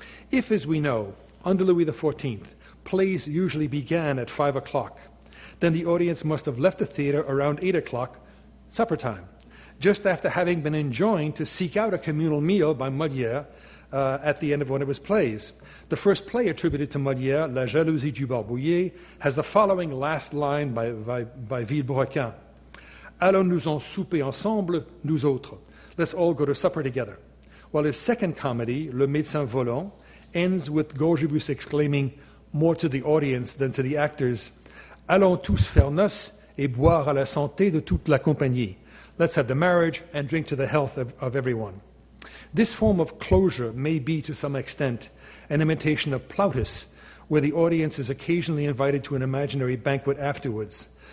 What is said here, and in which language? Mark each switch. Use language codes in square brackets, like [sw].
[en] If, as we know, under Louis XIV, plays usually began at 5 o'clock, then the audience must have left the theater around 8 o'clock, supper time, just after having been enjoined to seek out a communal meal by Molière at the end of one of his plays. The first play attributed to Molière, La Jalousie du Barbouillé, has the following last line by Villebrequin. [fr] Allons-nous-en souper ensemble, nous autres. [en] Let's all go to supper together. While his second comedy, Le Médecin Volant, ends with Gorgibus exclaiming, more to the audience than to the actors, [fr] Allons tous faire noce et boire à la santé de toute la compagnie. [en] Let's have the marriage and drink to the health of everyone. This form of closure may be, to some extent, an imitation of Plautus, where the audience is occasionally invited to an imaginary banquet afterwards.